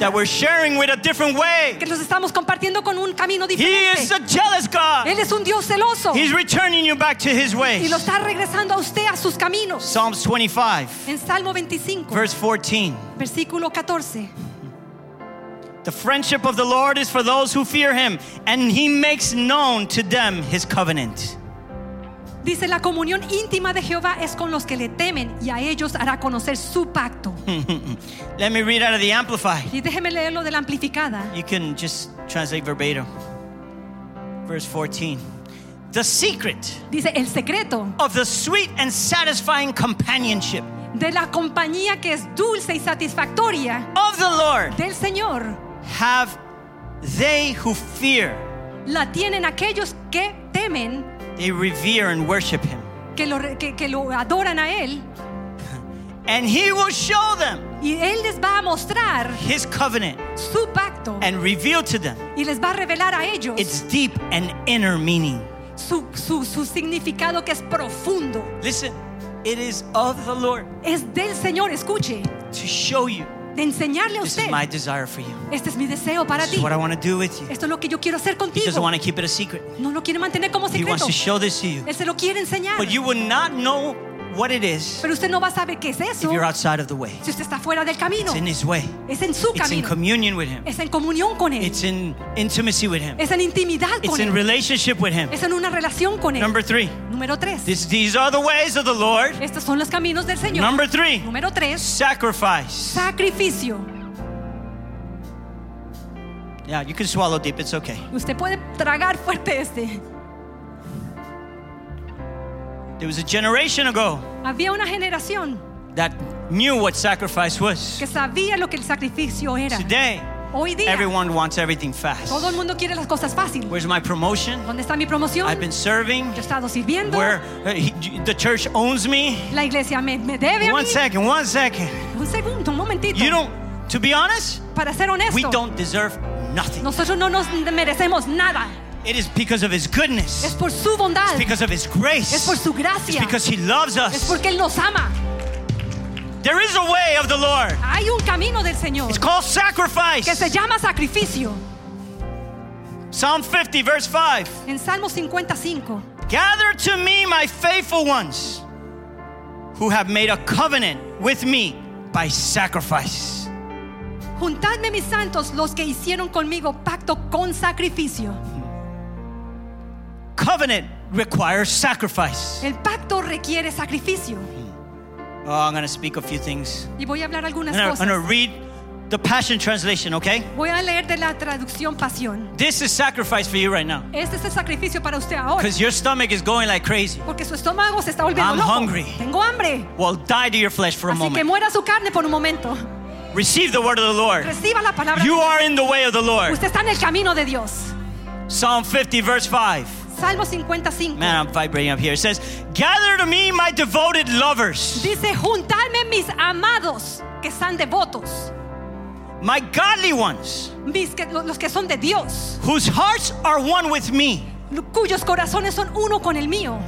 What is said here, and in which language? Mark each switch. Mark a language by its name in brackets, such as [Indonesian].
[English] That we're sharing with a different way. [Spanish] Que los estamos compartiendo con un camino diferente. [English] He is a jealous God. [Spanish] Él es un Dios celoso. [English] He's returning you back to his ways. [Spanish] Y lo está regresando a usted a sus caminos. [English] Psalms 25. [Spanish] En Salmo 25. [English] Verse 14. [Spanish] Versículo 14. [English] The friendship of the Lord is for those who fear him, and he makes known to them his covenant. [Spanish] Dice, la comunión íntima de Jehová es con los que le temen y a ellos hará conocer su pacto. [English] Let me read out of the Amplified. [Spanish] Y déjeme leerlo de la Amplificada. [English] You can just translate verbatim. Verse 14. The secret. [Spanish] Dice, el secreto. [English] Of the sweet and satisfying companionship. [Spanish] De la compañía que es dulce y satisfactoria. [English] Of the Lord. [Spanish] Del Señor. [English] Have they who fear. [Spanish] La tienen aquellos que temen. [English] They revere and worship him. [Spanish] Que lo adoran a él. [English] And he will show them. [Spanish] Y él les va a mostrar [English] his covenant. [Spanish] Su pacto. [English] And reveal to them. [Spanish] Y les va a revelar a ellos. [English] Its deep and inner meaning. [Spanish] Su significado que es profundo. [English] Listen, it is of the Lord. [Spanish] Es del Señor, escuche. [English] To show you. [Spanish] De enseñarle a usted. [English] This is my desire for you. [Spanish] Este es mi deseo para [English] this [Spanish] ti. [English] Is what I want to do with you. [Spanish] Esto es lo que yo quiero hacer contigo. [English] He doesn't want to keep it a secret. [Spanish] No lo quiere mantener como secreto. [English] He wants to show this to you. [Spanish] Él se lo quiere enseñar. [English] But you will not know what it is. [Spanish] Pero usted no va a saber qué es eso. [English] If you're outside of the way. [Spanish] Si usted está fuera del camino. [English] It's in his way. [Spanish] Es en su [English] it's [Spanish] camino. [English] In communion with him. [Spanish] Es en comunión con él. [English] It's in intimacy with him. [Spanish] Es en intimidad con [English] it's [Spanish] él. [English] In relationship with him. [Spanish] Es en una relación con él. [English] Number three. [Spanish] Número tres. [English] These are the ways of the Lord. [Spanish] Estos son los caminos del Señor. [English] Number three. [Spanish] Número tres. [English] Sacrifice. [Spanish] Sacrificio. [English] Yeah, you can swallow deep. It's okay. [Spanish] Usted puede tragar fuerte este. [English] It was a generation ago. [Spanish] Había una generación [English] that knew what sacrifice was. [Spanish] Que sabía lo que el sacrificio era. [English] Today, [Spanish] hoy día, [English] everyone wants everything fast. [Spanish] Todo el mundo quiere las cosas fácil. [English] Where's my promotion? [Spanish] ¿Dónde está mi promoción? [English] I've been serving. [Spanish] Yo he estado sirviendo. [English] Where the church owns me. [Spanish] La iglesia me debe [English] one [Spanish] a mí. [English] Second, one second. [Spanish] Un segundo, un momentito. [English] You don't, to be honest, [Spanish] para ser honesto, [English] we don't deserve nothing. [Spanish] Nosotros no nos merecemos nada. [English] It is because of his goodness. [Spanish] Es por su bondad. [English] It's because of his grace. [Spanish] Es por su gracia. [English] It's because he loves us. [Spanish] Es porque él nos ama. [English] There is a way of the Lord. [Spanish] Hay un camino del Señor. [English] It's called sacrifice. [Spanish] Que se llama sacrificio. [English] Psalm 50, verse 5. [Spanish] En Salmo 55. [English] Gather to me my faithful ones who have made a covenant with me by sacrifice. [Spanish] Juntadme mis santos, los que hicieron conmigo pacto con sacrificio. [English] Covenant requires sacrifice. [Spanish] El pacto requiere sacrificio. [English] Oh, I'm going to speak a few things. [Spanish] Y voy a hablar algunas [English] cosas. I'm going to read the Passion Translation, okay? [Spanish] Voy a leer de la traducción Pasión. [English] This is sacrifice for you right now. [Spanish] Este es el sacrificio para usted ahora. [English] Because your stomach is going like crazy. [Spanish] Porque su estómago se está volviendo [English] loco. I'm hungry. [Spanish] Tengo hambre. [English] Well, die to your flesh for a moment. [Spanish] Así que muera su carne por un momento. [English] Receive the word of the Lord. [Spanish] Reciba la palabra de Dios. [English] You are in the way of the Lord. [Spanish] Usted está en el camino de Dios. [English] Psalm 50, verse 5. [Spanish] Salmo 55. [English] Man, I'm vibrating up here. It says, gather to me my devoted lovers. [Spanish] Dice, juntadme mis amados que están devotos. [English] My godly ones. [Spanish] Los que son de Dios. [English] Whose hearts are one with me. [Spanish] Cuyos corazones son uno con el mío.